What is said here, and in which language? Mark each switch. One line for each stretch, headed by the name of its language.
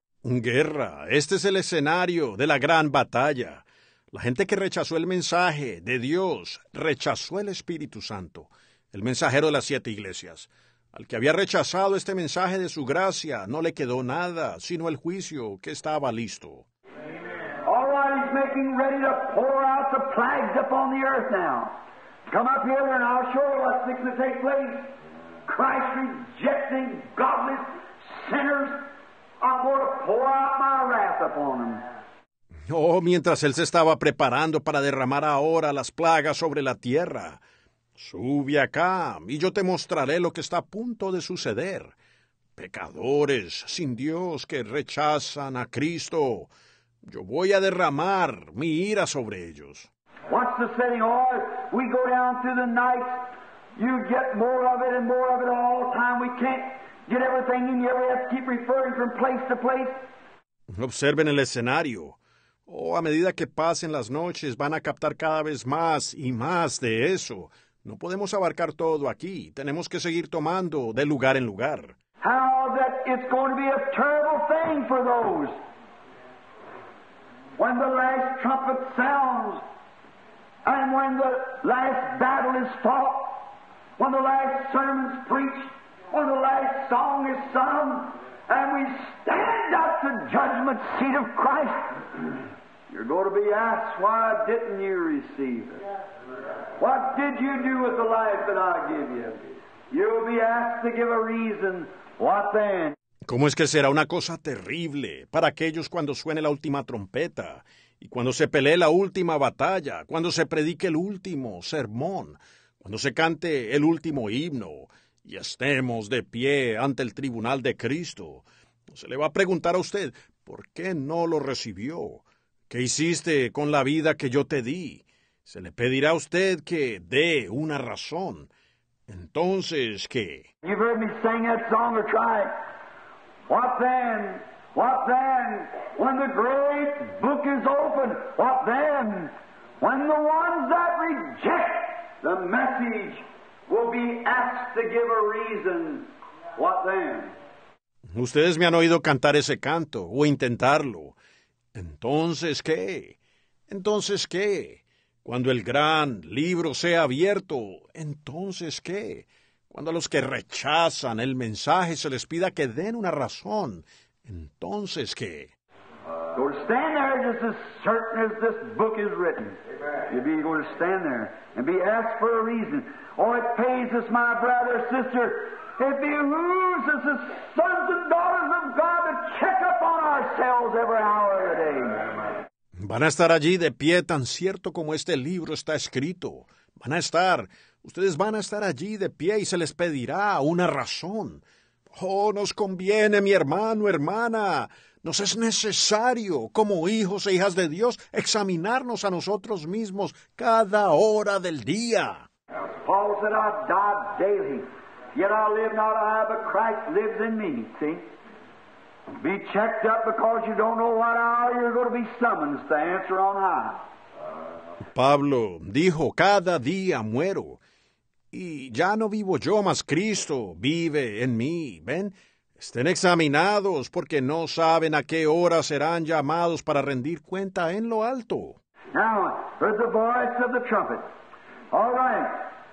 Spanish: Guerra, este es el escenario de la gran batalla. La gente que rechazó el mensaje de Dios, rechazó el Espíritu Santo, el mensajero de las siete iglesias. Al que había rechazado este mensaje de su gracia, no le quedó nada, sino el juicio que estaba listo.
English: All right, he's making ready to pour out the plagues upon the earth now. Come up here and I'll show you what's going to take place. Christ rejecting godless sinners, I'm going to pour out my wrath upon them.
Spanish: Oh, mientras él se estaba preparando para derramar ahora las plagas sobre la tierra. Sube acá, y yo te mostraré lo que está a punto de suceder. Pecadores sin Dios que rechazan a Cristo. Yo voy a derramar mi ira sobre ellos.
English: What's the setting? Oh, we go down through the night. You get more of it and more of it all the time. We can't get everything in here. We have to keep referring from place to place.
Spanish: Observen el escenario. Oh, a medida que pasen las noches, van a captar cada vez más y más de eso. No podemos abarcar todo aquí. Tenemos que seguir tomando de lugar en lugar.
English: How that it's going to be a terrible thing for those. When the last trumpet sounds, and when the last battle is fought, when the last sermon is preached, when the last song is sung, and we stand at the judgment seat of Christ, you're going to be asked, why didn't you receive it? What did you do with the life that I give you? You'll be asked to give a reason. What then?
Spanish: ¿Cómo es que será una cosa terrible para aquellos cuando suene la última trompeta y cuando se pelee la última batalla, cuando se predique el último sermón, cuando se cante el último himno y estemos de pie ante el tribunal de Cristo? Se le va a preguntar a usted, ¿por qué no lo recibió? ¿Qué hiciste con la vida que yo te di? Se le pedirá a usted que dé una razón. Entonces, ¿qué?
English: You've heard me sing that song or try it. What then? What then? When the great book is open, what then? When the ones that reject the message will be asked to give a reason, what then?
Spanish: Ustedes me han oído cantar ese canto o intentarlo. Entonces, ¿qué? Entonces, ¿qué? Cuando el gran libro sea abierto, ¿entonces qué? Cuando a los que rechazan el mensaje se les pida que den una razón, ¿entonces qué?
English: You're going to stand there just as certain as this book is written. You're going to stand there and be asked for a reason. Oh, it pays us, my brother, sister. It behooves us as sons and daughters of God to check up on ourselves every hour of the day.
Spanish: Van a estar allí de pie, tan cierto como este libro está escrito. Van a estar. Ustedes van a estar allí de pie y se les pedirá una razón. Oh, nos conviene, mi hermano, hermana. Nos es necesario, como hijos e hijas de Dios, examinarnos a nosotros mismos cada hora del día.
English: Paul said, I die daily, yet I live not I, but Christ lives in me. See? Be checked up because you don't know what hour you're going to be summoned to answer on high.
Spanish: Pablo dijo, cada día muero, y ya no vivo yo, mas Cristo vive en mí. ¿Ven? Estén examinados, porque no saben a qué hora serán llamados para rendir cuenta en lo alto.
English: Now, heard the voice of the trumpet. All right.